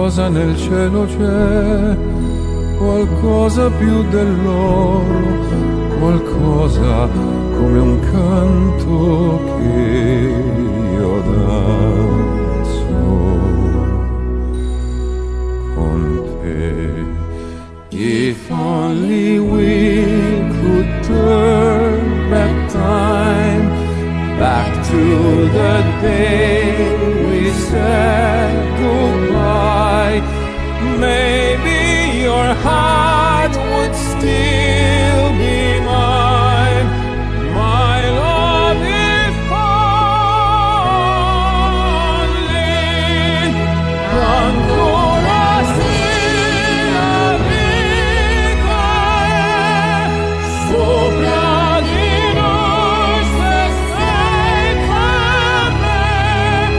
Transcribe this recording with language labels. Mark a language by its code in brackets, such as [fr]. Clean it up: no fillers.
[it] Nel cielo c'è qualcosa più dell'oro, qualcosa come un canto che io danzo con te. [en] If only we could turn back time, back to the day we said goodbye. Maybe your heart would still be mine, my love, if only. [it] Ancora sì, la vita è sopra di noi, se sei con me.